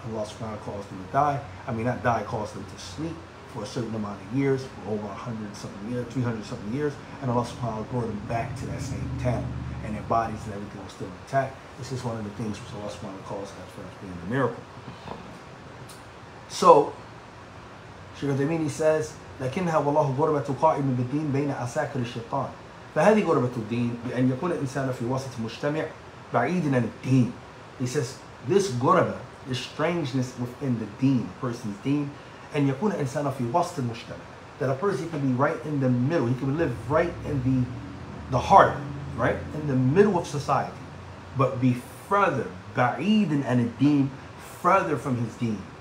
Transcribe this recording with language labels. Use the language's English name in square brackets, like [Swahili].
[English] Allah subhanahu wa ta'ala caused them to die. I mean, not die, caused them to sleep. For a certain amount of years, for over 100 something years, 300 something years, and Allah subhanahu wa ta'ala brought them back to that same town. and their bodies and everything was still intact. This is one of the things which Allah subhanahu wa ta'ala calls as far as being a miracle. So Sheikh Al-Daymini says, [Arabic] لَكِنْهَا وَاللَّهُ غُرْبَةُ قَائِمُ بِالدِّينِ بَيْنَ أَسَاكِرِ الشَّيْطَانِ فَهَذِي غُرْبَةُ الدِّينِ بِأَنْ يَكُونَ الْإِنسَانَ فِي وَسَطِ مُجْتَمِعِ بَعِيدٍ عَنِ الدِّينِ. [English] He says, this غُرْبَة, this strangeness within the deen, a person's deen, [Arabic] أَنْ يَكُونَ الْإِنسَانَ فِي وَسَطِ مُجْتَمِعِ, [English] that a person can be right in the middle, he can live right in the heart, right? In the middle of society, but be further, [Arabic] بَعِيدٍ عَنِ الدِّينِ, [English] further from his deen.